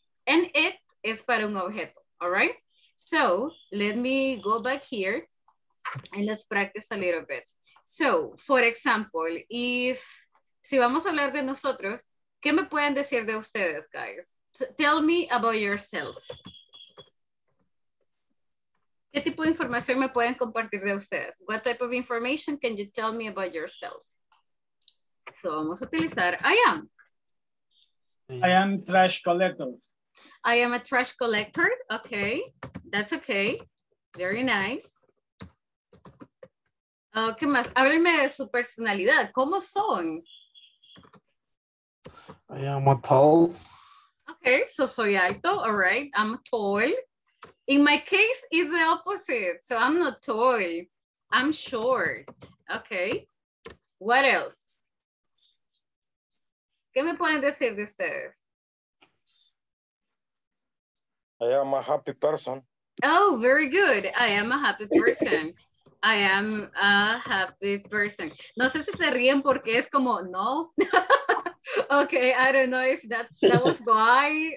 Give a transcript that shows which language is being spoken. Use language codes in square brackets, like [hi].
[en] And it [es] es para un objeto, [en] all right? So, let me go back here and let's practice a little bit. So, for example, if, [es] si vamos a hablar de nosotros, ¿qué me pueden decir de ustedes, guys? [en] So, tell me about yourself. [es] ¿Qué tipo de información me pueden compartir de ustedes? [en] What type of information can you tell me about yourself? [es] So, vamos a utilizar I am. [en] I am trash collector. I am a trash collector. Okay, that's okay. Very nice. [es] ¿Qué más? Háblenme de su personalidad. ¿Cómo son? [en] I am a tall. Okay, so [es] soy alto. [en] All right, I'm tall. In my case, it's the opposite. So I'm not tall. I'm short. Okay. What else? [es] ¿Qué me pueden decir de ustedes? [en] I am a happy person. Oh, very good. I am a happy person. I am a happy person. [es] No sé si se ríen porque es como, no. [en] Okay, I don't know if that was why.